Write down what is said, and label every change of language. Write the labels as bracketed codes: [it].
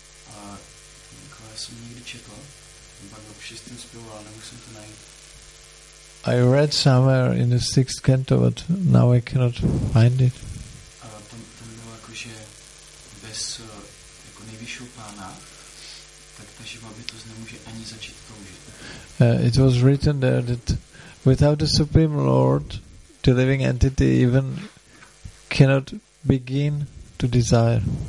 [cs] A já jsem někdy četl, nebo v šestém zpěvu, ale nemusím to najít. [en] I read somewhere in the sixth canto, but now I cannot find it. [cs] A tam bylo jako, že bez jako nejvyššího pána, tak ta živá bytost nemůže ani začít toužit. [en] It was written there that without the Supreme Lord, the living entity even cannot begin to desire.